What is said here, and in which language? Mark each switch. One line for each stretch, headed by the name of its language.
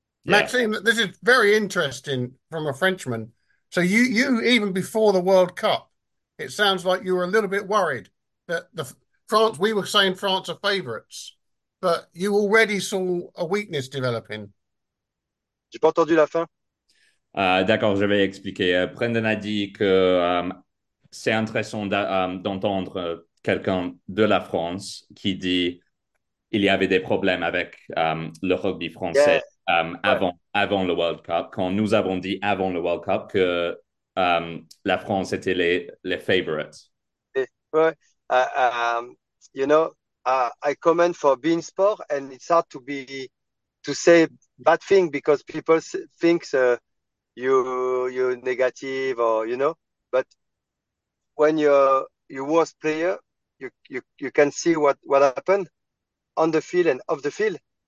English: Maxime, this is very interesting from a Frenchman. So you even before the World Cup, it sounds like you were a little bit worried that the France, we were saying France are favourites, but you already saw a weakness developing.
French: J'ai pas entendu la fin. D'accord, je vais expliquer. Brendan a dit que c'est intéressant d'entendre quelqu'un de la France qui dit qu'il y avait des problèmes avec le rugby français avant le World Cup. Quand nous avons dit avant le World Cup que la France était les favorites.
English: I comment for being sport, and it's hard to be to say bad thing because people think you're negative or but when you're worst player, you can see what happened on the field and off the field.